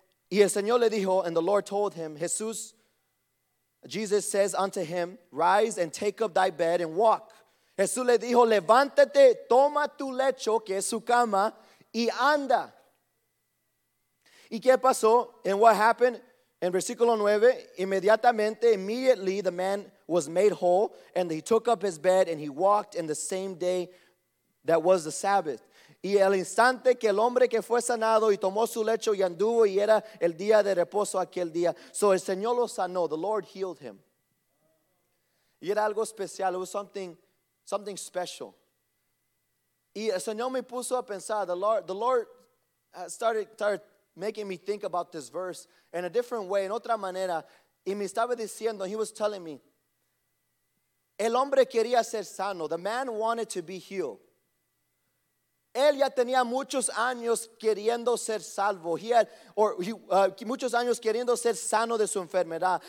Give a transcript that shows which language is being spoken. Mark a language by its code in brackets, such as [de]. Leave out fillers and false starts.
[es] Y el Señor le dijo, [en] and the Lord told him, Jesus says unto him, rise and take up thy bed and walk. [es] Jesús le dijo, levántate, toma tu lecho, que es su cama, y anda. ¿Y qué pasó? [en] And what happened? [es] En versículo 9, [en] immediately the man was made whole, and he took up his bed, and he walked in the same day that was the Sabbath. [es] Y el instante que el hombre que fue sanado y tomó su lecho y anduvo, y era el día de reposo aquel día. So el Señor lo sanó. [en] The Lord healed him. [es] Y era algo especial. [en] It was something special. [es] Y el Señor me puso a pensar. [en] The Lord started making me think about this verse in a different way, [es] en otra manera. Y me estaba diciendo, [en] he was telling me, [es] el hombre quería ser sano. [en] The man wanted to be healed. [es] Él ya tenía muchos años queriendo ser salvo. Muchos años queriendo ser sano de su enfermedad.